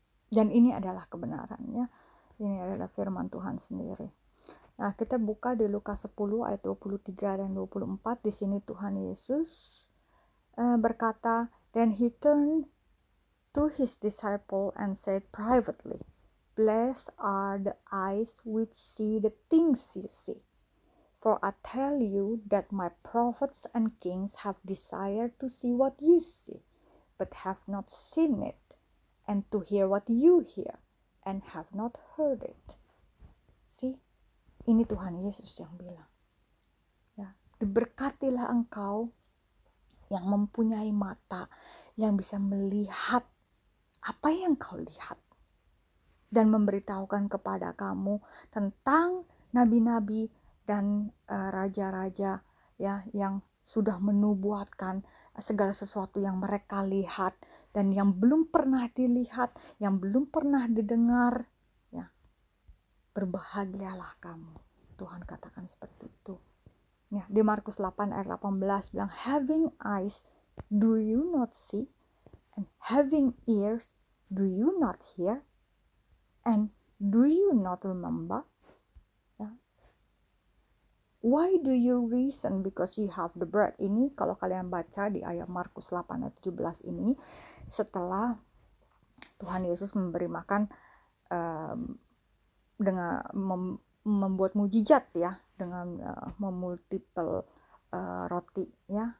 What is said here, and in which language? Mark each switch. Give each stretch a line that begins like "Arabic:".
Indonesian: Dan ini adalah kebenarannya, ini adalah firman Tuhan sendiri. Nah, kita buka di Lukas 10 ayat 23 dan 24, di sini Tuhan Yesus berkata,
English: "Then he turned to his disciple and said privately, blessed are the eyes which see the things you see. For I tell you that my prophets and kings have desired to see what you see, but have not seen it, and to hear what you hear, and have not heard it."
Indonesian: See, ini Tuhan Yesus yang bilang. Ya. Diberkatilah engkau yang mempunyai mata, yang bisa melihat apa yang kau lihat, dan memberitahukan kepada kamu tentang nabi-nabi dan raja-raja ya, yang sudah menubuatkan segala sesuatu yang mereka lihat dan yang belum pernah dilihat, yang belum pernah didengar ya. Berbahagialah kamu, Tuhan katakan seperti itu ya. Di Markus 8 ayat 18 bilang,
English: "Having eyes, do you not see? And having ears, do you not hear? And do you not remember? Why do you reason because you have the bread?"
Indonesian: Ini kalau kalian baca di ayat Markus 8 ayat 17 ini, setelah Tuhan Yesus memberi makan dengan membuat mujizat ya, dengan memultiple roti ya.